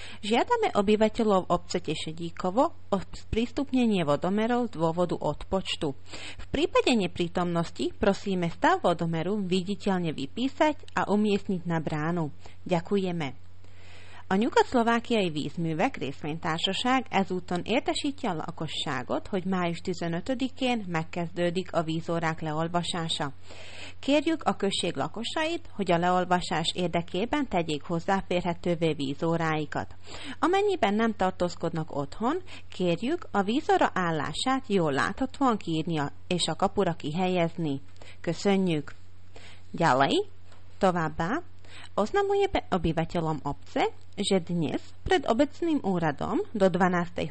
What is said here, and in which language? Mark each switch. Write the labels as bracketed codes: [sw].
[sk] Žiadame obyvateľov obce Tešedíkovo o sprístupnenie vodomerov z dôvodu odpočtu. V prípade neprítomnosti prosíme stav vodomeru viditeľne vypísať a umiestniť na bránu. Ďakujeme. [hu] A nyugat-szlovákiai vízművek részvénytársaság ezúton értesíti a lakosságot, hogy május 15-én megkezdődik a vízórák leolvasása. Kérjük a község lakosait, hogy a leolvasás érdekében tegyék hozzáférhetővé vízóráikat. Amennyiben nem tartózkodnak otthon, kérjük a vízóra állását jól láthatóan kiírni és a kapura kihelyezni. Köszönjük! Gyalai, továbbá! [sk] Oznamuje obyvateľom obce, že dnes pred obecným úradom do 12.